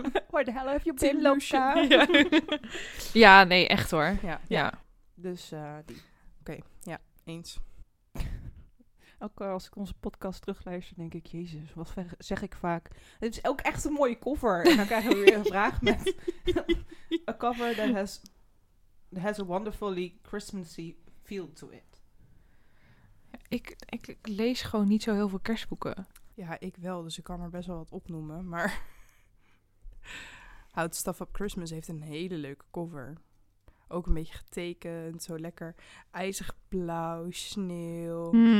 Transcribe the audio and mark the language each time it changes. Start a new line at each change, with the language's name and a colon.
English: Where the hell have you been, Loka?
Dutch: Ja, nee, echt hoor. Ja. Dus die. Oké, ja, eens. Elke als ik onze podcast terugluister, denk ik... Jezus, wat zeg ik vaak? Het is ook echt een mooie cover. En dan krijgen we weer een vraag met...
English: A cover that has a wonderfully Christmassy feel to it.
Dutch: Ik lees gewoon niet zo heel veel kerstboeken. Ja, ik wel. Dus ik kan er best wel wat opnoemen. Maar How to Stuff Up Christmas heeft een hele leuke cover. Ook een beetje getekend. Zo lekker ijzig blauw, sneeuw.